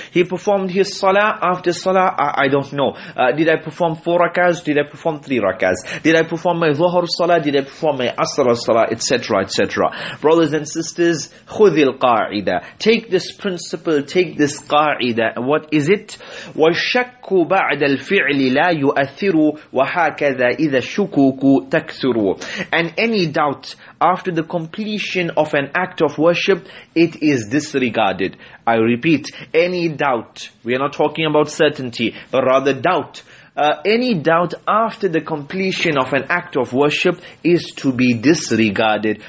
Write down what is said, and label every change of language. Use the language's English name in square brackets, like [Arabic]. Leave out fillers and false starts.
[English] He performed his salah after salah, I don't know. Did I perform 4 rakahs? Did I perform 3 rakahs? Did I perform my dhuhr salah? Did I perform my asr salah? Etc. etc. Brothers and sisters, [Arabic] خذ القاعدة. [English] Take this principle, take this قاعدة. What is it? [Arabic] والشك بعد الفعل لا يؤثر وهكذا إذا شكوا تكثروا. [English] And any doubt after the completion of an act of worship, it is disregarded. I repeat, any doubt, we are not talking about certainty, but rather doubt. Any doubt after the completion of an act of worship is to be disregarded.